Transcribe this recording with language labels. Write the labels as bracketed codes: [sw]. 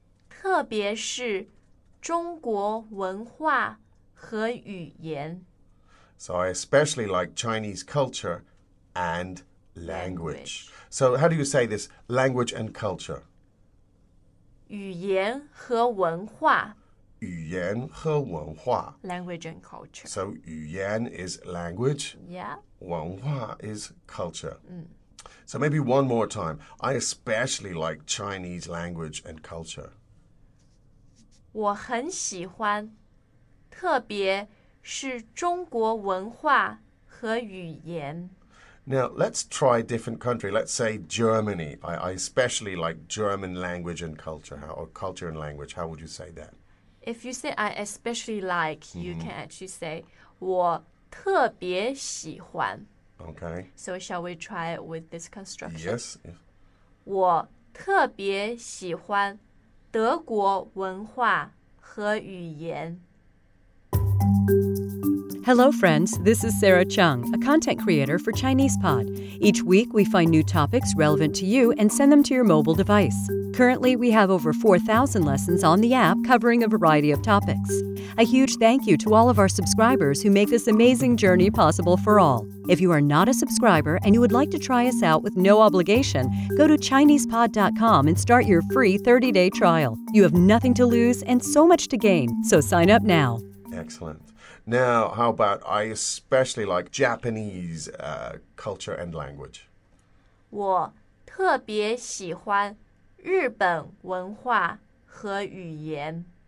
[zh] 特别是中国文化和语言。 [en] So I especially like Chinese culture and language. Language. So how do you say this, language and culture? [zh] 语言和文化。语言和文化。 [en] Language and culture. So [zh] 语言 [en] is language. Yeah. [zh] 文化 [en] is culture. Mm. So maybe one more time. I especially like Chinese language and culture. [zh] 我很喜欢，特别是中国文化和语言。 [en] Now, let's try a different country. Let's say Germany. I especially like German language and culture, or culture and language. How would you say that? If you say I especially like, you can actually say [zh] 我特别喜欢。 [en] Okay. So shall we try it with this construction? Yes. [zh] 我特别喜欢德国文化和语言。 [en] Hello, friends. This is Sarah Chung, a content creator for ChinesePod. Each week, we find new topics relevant to you and send them to your mobile device. Currently, we have over 4,000 lessons on the app covering a variety of topics. A huge thank you to all of our subscribers who make this amazing journey possible for all. If you are not a subscriber and you would like to try us out with no obligation, go to ChinesePod.com and start your free 30-day trial. You have nothing to lose and so much to gain, so sign up now. Excellent. Now, how about I especially like Japanese culture and language? [zh] 我特别喜欢日本文化和语言。